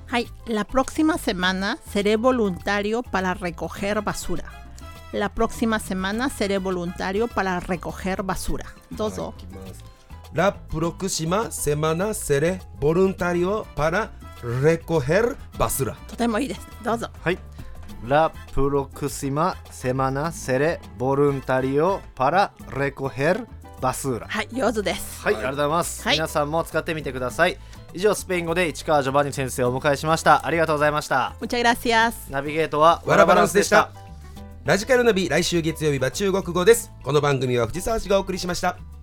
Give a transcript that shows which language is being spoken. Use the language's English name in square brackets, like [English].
[Japanese] はい、 [Spanish] La próxima semana seré voluntario para recoger basura. La próxima semana seré voluntario para recoger basura. [Japanese] どうぞ。 [Spanish] La próxima semana seré voluntario para recoger basura. [Japanese] とてもいいです、どうぞ。はい、 [Spanish] La próxima semana seré voluntario para recogerバスーラ。 [Japanese] はい、上手です。はい、ありがとうございます、はい、皆さんも使ってみてください。以上、スペイン語で市川ジョバンニ先生をお迎えしました。ありがとうございました。 [Spanish] むちゃぐらしやす。 [Japanese] ナビゲートはワラバランスでした。ラジカルナビ、来週月曜日は中国語です。この番組は藤沢市がお送りしました。